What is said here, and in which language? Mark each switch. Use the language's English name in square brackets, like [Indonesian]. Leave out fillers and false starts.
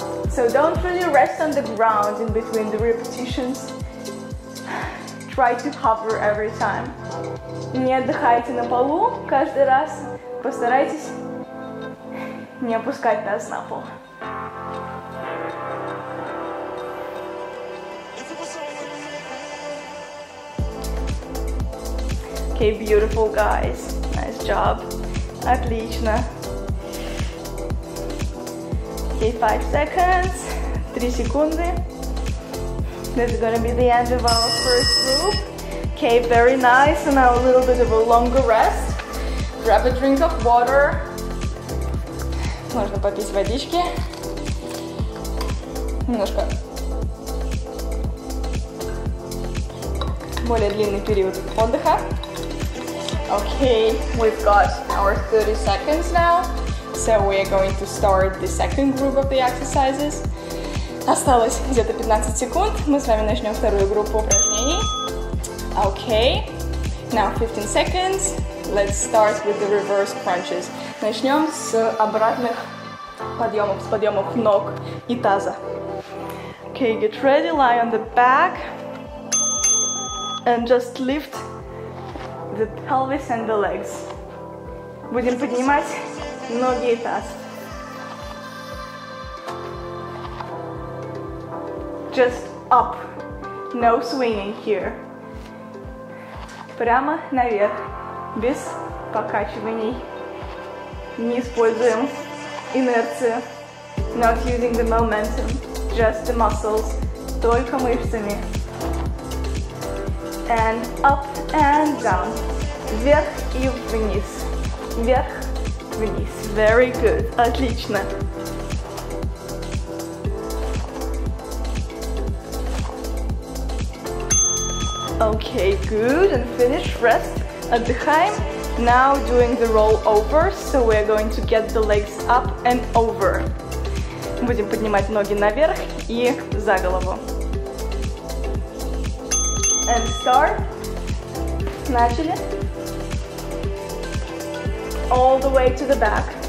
[English] So don't really rest on the ground in between the repetitions. Try to hover every time. [Russian] Не отдыхайте на полу каждый раз. Постарайтесь не опускать нас на пол. [English] Okay, beautiful guys. Nice job. [Russian] Отлично. [English] Okay, 5 seconds. [Russian] 3 секунды. [English] This is gonna be the end of our first loop. Okay, very nice. And now a little bit of a longer rest. Grab a drink of water. [Russian] Можно попить водички. Немножко. Более длинный период отдыха. [English] Okay, we've got our 30 seconds now, so we're going to start the second group of the exercises. [Russian] Осталось где-то 15 секунд, мы с вами начнем вторую группу упражнений. [English] Okay, now 15 seconds, let's start with the reverse crunches. [Russian] Начнем с обратных подъемов, с подъемов ног и таза. [English] Okay, get ready, lie on the back, and just lift the pelvis and the legs. [Russian] Будем поднимать ноги и таз. [English] Just up. No swinging here. [Russian] Прямо наверх, без покачиваний. Не используем инерцию. [English] Not using the momentum, just the muscles. [Russian] Только мышцами. [English] And up and down. [Russian] Вверх и вниз. Вверх, вниз. [English] Very good. [Russian] Отлично. [English] Okay, good. And finish. Rest. [Russian] Отдыхаем. [English] Now doing the rollovers. So we're going to get the legs up and over. [Russian] Будем поднимать ноги наверх и за голову. [English] And start. [Russian] Начали. [English] All the way to the back.